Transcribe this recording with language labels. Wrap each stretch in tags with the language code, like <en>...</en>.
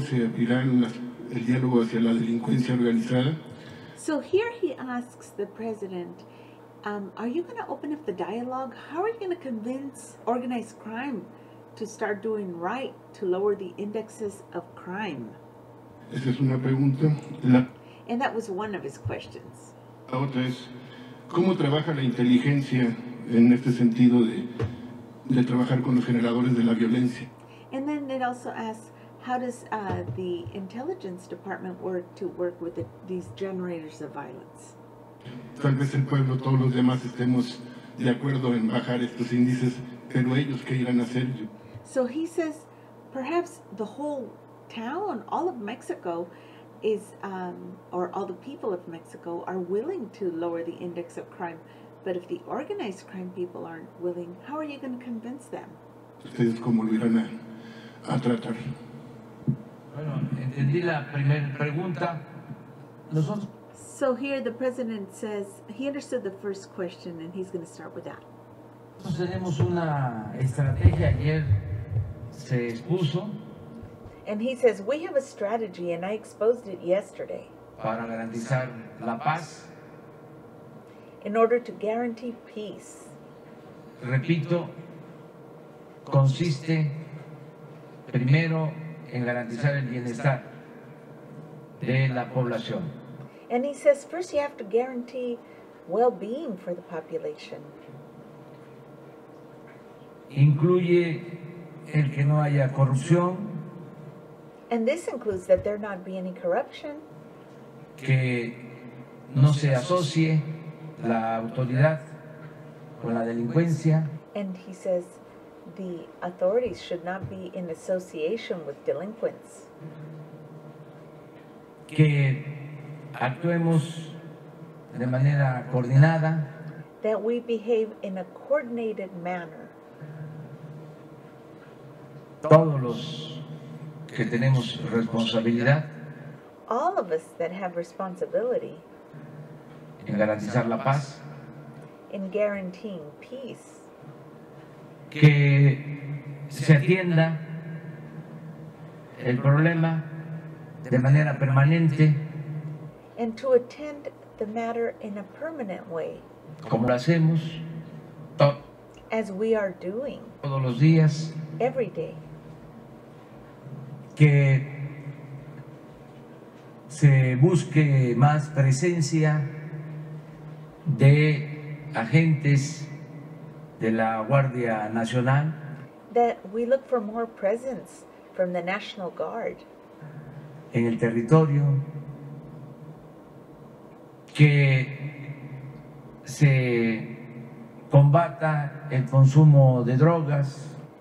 <es>¿Se abrirá el diálogo hacia la delincuencia organizada?</es> <en>So here he asks the president, are you going to open up the dialogue? How are you going to convince organized crime to start doing right, to lower the indexes of crime?</en> <es>Esa es una pregunta.</es> <en>And that was one of his questions.</en> <es>La otra es, ¿cómo trabaja la inteligencia en este sentido de trabajar con los generadores de la violencia?</es> <en>And then it also asks, how does the intelligence department work to work with these generators of violence?</en> <es>Tal vez el pueblo, todos los demás estemos de acuerdo en bajar estos índices, pero ellos, ¿qué irán a hacer?</es> <en>So he says, perhaps the whole town, all of Mexico, is, or all the people of Mexico, are willing to lower the index of crime. But if the organized crime people aren't willing, how are you going to convince them?</en> <es>Ustedes, ¿cómo lo irán a tratar? Bueno, entendí la primera pregunta. Nosotros.</es> <en>So here the president says he understood the first question and he's going to start with that.</en> <es>Nosotros tenemos una estrategia, ayer se expuso.</es> <en>And he says we have a strategy and I exposed it yesterday.</en> <es>Para garantizar la paz.</es> <en>In order to guarantee peace.</en> <es>Repito, consiste primero en garantizar el bienestar de la población.</es> <en>And he says, first you have to guarantee well-being for the population.</en> <es>Incluye el que no haya corrupción.</es> <en>And this includes that there not be any corruption.</en> <es>Que no se asocie la autoridad con la delincuencia.</es> <en>And he says, the authorities should not be in association with delinquents.</en> <es>Que actuemos de manera coordinada.</es> <en>That we behave in a coordinated manner.</en> <es>Todos los que tenemos responsabilidad.</es> <en>All of us that have responsibility.</en> <es>En garantizar la paz.</es> <en>In guaranteeing peace.</en> <es>Que se atienda el problema de manera permanente.</es> <en>And to attend the matter in a permanent way.</en> <es>Como lo hacemos.</es> <en>As we are doing.</en> <es>Todos los días.</es> <en>Every day.</en> <es>Que se busque más presencia de agentes de la Guardia Nacional.</es> <en>That we look for more presence from the National Guard.</en> <es>en el territorio, que se combata el consumo de drogas.</es>